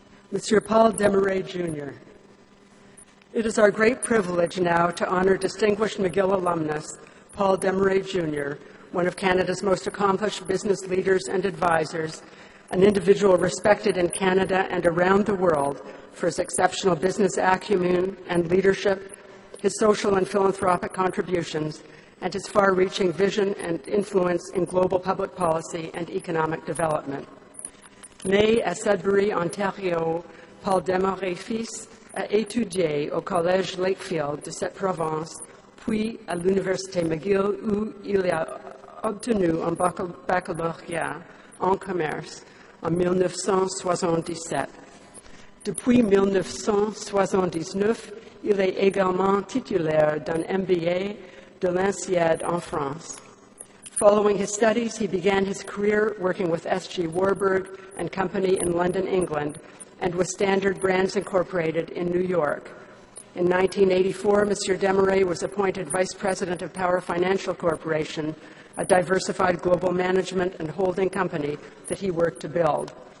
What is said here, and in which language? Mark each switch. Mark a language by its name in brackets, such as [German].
[English] Monsieur Paul Demeret, Jr., it is our great privilege now to honor distinguished McGill alumnus Paul Demeret, Jr., one of Canada's most accomplished business leaders and advisors, an individual respected in Canada and around the world for his exceptional business acumen and leadership, his social and philanthropic contributions, and his far-reaching vision and influence in global public policy and economic development. [French] Né à Sudbury, Ontario, Paul Demeret fils a étudié au Collège Lakefield de cette province, puis à l'Université McGill où il a obtenu un baccalauréat en commerce en 1977. Depuis 1979, il est également titulaire d'un MBA de l'INSEAD en France. [English] Following his studies, he began his career working with S.G. Warburg and Company in London, England, and with Standard Brands Incorporated in New York. In 1984, Monsieur Demeret was appointed Vice President of Power Financial Corporation, a diversified global management and holding company that he worked to build.